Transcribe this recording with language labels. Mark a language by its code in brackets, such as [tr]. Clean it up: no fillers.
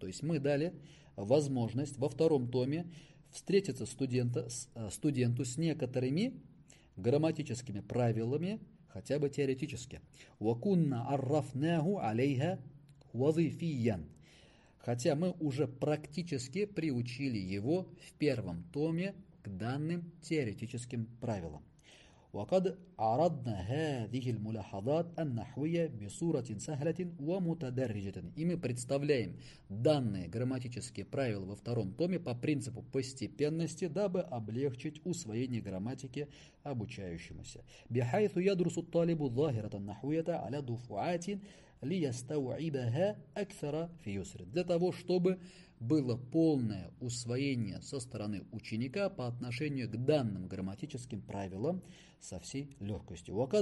[ru] То есть мы дали возможность во втором томе встретиться студенту с некоторыми грамматическими правилами, хотя бы теоретически. [ar] Ва кунна аррафнаху алейха вазифиян. [ru] Хотя мы уже практически приучили его в первом томе к данным теоретическим правилам. [ar] وقد عرضنا هذه الملاحظات النحوية بصورة سهلة ومتدرجة. [ru] И мы представляем данные грамматические правила во втором томе по принципу постепенности, дабы облегчить усвоение грамматики обучающемуся. [ar] بحيث يدرس الطالب ظاهرة النحوية على دفعات ليستوعبها أكثر في يسر. [ru] Для того, чтобы было полное усвоение со стороны ученика по отношению к данным грамматическим правилам со всей легкостью.